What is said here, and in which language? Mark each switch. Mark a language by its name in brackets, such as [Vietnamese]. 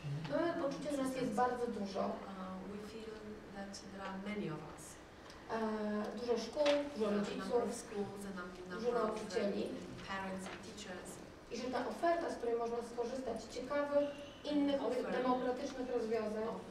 [Polish] No, poczucie, że nas jest bardzo dużo. [English] We feel that there are many of us. [Polish] Dużo szkół, dużo rodziców, dużo nauczycieli. [English] Parents, teachers. [Polish] I że ta oferta, z której można skorzystać, ciekawych, innych, demokratycznych rozwiązań.